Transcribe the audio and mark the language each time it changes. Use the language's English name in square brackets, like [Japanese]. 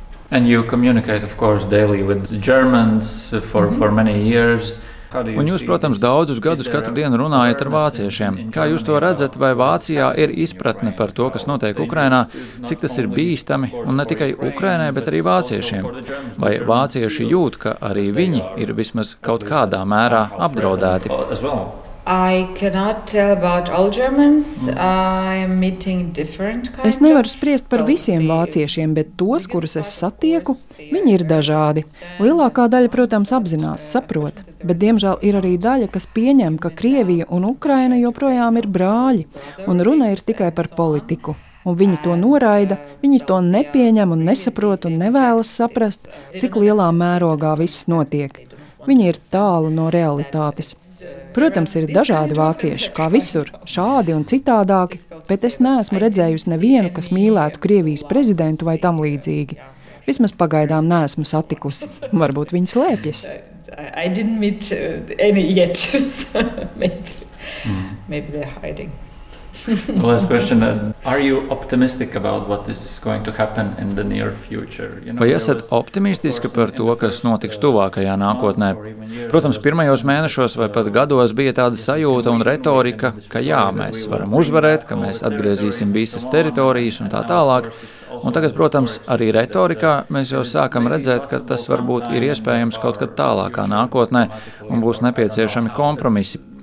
[English] And you communicate, of course, daily with the Germans for many years. [Latvian] Un jūs, protams, daudzus gadus katru dienu runājat ar vāciešiem. Kā jūs to redzat, vai Vācijā ir izpratne par to, kas notiek Ukrainā, cik tas ir bīstami, un ne tikai Ukrainai, bet arī vāciešiem? Vai vācieši jūt, ka arī viņi ir vismaz kaut kādā mērā apdraudēti? [English] I cannot tell about all Germans. I'm meeting different kinds. [Latvian] Es nevaru spriest par visiem vāciešiem, bet tos, kurus es satieku, viņi ir dažādi. Lielākā daļa, protams, apzinās, saprot. Bet, diemžēl, ir arī daļa, kas pieņem, ka Krievija un Ukraina joprojām ir brāļi, un runa ir tikai par politiku. Un viņi to noraida, viņi to nepieņem un nesaprot un nevēlas saprast, cik lielā mērogā viss notiek. Viņi ir tālu no realitātes. Protams, ir dažādi vācieši, kā visur, šādi un citādāki, bet es neesmu redzējusi nevienu, kas mīlētu Krievijas prezidentu vai tam līdzīgi. Vismaz pagaidām neesmu satikusi. Varbūt viņi slēpjas. [English] I didn't meet any yet, so maybe they're hiding. The last question, are you optimistic about what is going to happen in the near future? You know, [Latvian] vai esat optimistiski par to, kas notiks tuvākajā nākotnē? Protams, pirmajos mēnešos vai pat gados bija tāda sajūta un retorika, ka jā, mēs varam uzvarēt, ka mēs atgriezīsim visas teritorijas un tā tālāk. Un tagad, protams, arī retorikā mēs jau sākam redzēt, ka tas varbūt ir iespējams kaut kad tālākā nākotnē un būs nepieciešami kompromisi.